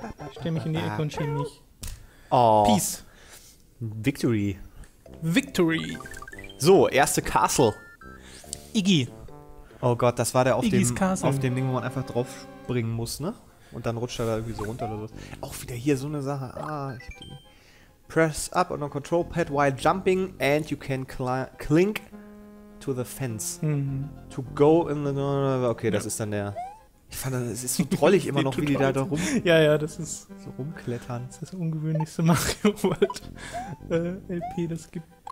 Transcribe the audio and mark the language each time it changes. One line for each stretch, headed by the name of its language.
German: Ich stell mich in die Ecke und schäme mich. Oh.
English: Peace. Victory. Victory.
German: So, erste Castle. Iggy. Oh Gott, das war der auf dem Ding, wo man einfach drauf springen muss, ne? Und dann rutscht er da irgendwie so runter oder so. Auch wieder hier so eine Sache.
English: Press up on a control pad while jumping and you can clink. To the fence. Mhm. To go in the...
German: Okay, das ist dann der... Ich fand, es ist so drollig immer noch, wie die da rum... Ja, das ist... So rumklettern. Das ist das ungewöhnlichste Mario World LP, das gibt.